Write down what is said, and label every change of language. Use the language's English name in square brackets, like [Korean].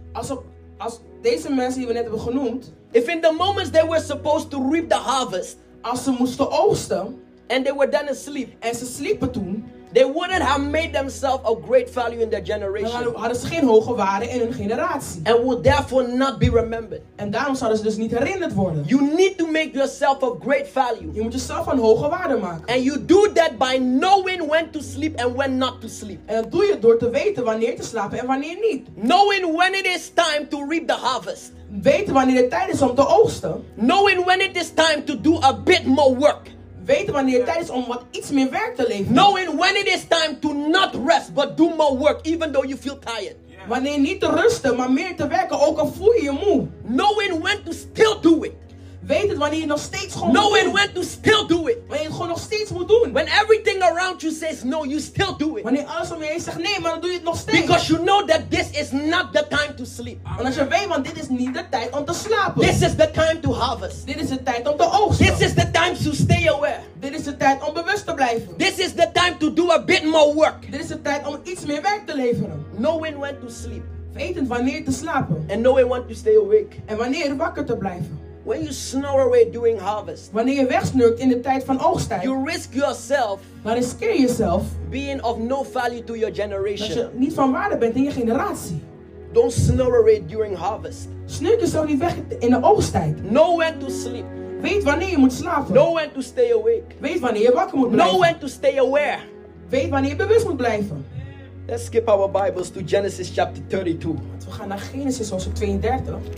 [Dutch] als deze mensen die we net hebben genoemd, [English] if in the moments they were supposed to reap the harvest, [Dutch] als ze moesten oogsten, [English] and they were then asleep, [Dutch] en ze sliepen toen, [English] they wouldn't have made themselves of great value in their generation. [Dutch] Dan hadden ze geen hoge waarde in hun generatie. [English] And would therefore not be remembered. [Dutch] En daarom zouden ze dus niet herinnerd worden. [English] You need to make yourself of great value. [Dutch] Je moet jezelf van hoge waarde maken. [English] And you do that by knowing when to sleep and when not to sleep. [Dutch] En dat doe je door te weten wanneer te slapen en wanneer niet. [English] Knowing when it is time to reap the harvest. [Dutch] Weten wanneer het tijd is om te oogsten. [English] Knowing when it is time to do a bit more work. [Dutch] Weten wanneer het tijd is om wat iets meer werk te leveren. [English] Knowing when it is time to not rest but do more work even though you feel tired. Yeah. [Dutch] Wanneer niet te rusten maar meer te werken ook al voel je je moe. [English] Knowing when to still do it. [Dutch] Weet het wanneer je nog steeds gewoon [English] knowing [Dutch] moet doen. [English] When to still do it. [Dutch] Wanneer je het gewoon nog steeds moet doen. [English] When everything around you says no, you still do it. [Dutch] Wanneer alles om je heen zegt nee, maar dan doe je het nog steeds. [English] Because you know that this is not the time to sleep. [Dutch] Want als je weet, want dit is niet de tijd om te slapen. [English] This is the time to harvest. [Dutch] Dit is de tijd om te oogsten. [English] This is the time to stay aware. [Dutch] Dit is de tijd om bewust te blijven. [English] This is the time to do a bit more work. [Dutch] Dit is de tijd om iets meer werk te leveren. [English] Knowing when to sleep. [Dutch] Wetend wanneer te slapen. [English] And knowing when to stay awake. [Dutch] En wanneer wakker te blijven. [English] When you snore away during harvest, [Dutch] wanneer je wegsnurkt in de tijd van oogsttijd, [English] you risk yourself, [Dutch] dan riskeer je jezelf, [English] being of no value to your generation, [Dutch] dat je niet van waarde bent in je generatie. [English] Don't snore away during harvest, [Dutch] snurk jezelf niet weg in de oogsttijd. [English] Know when to sleep, [Dutch] weet wanneer je moet slapen. [English] Know when to stay awake, [Dutch] weet wanneer je wakker moet blijven. [English] Know when to stay aware, [Dutch] weet wanneer je bewust moet blijven. [English] Let's skip our Bibles to Genesis chapter 32. [Dutch] Want we gaan naar Genesis hoofdstuk 32.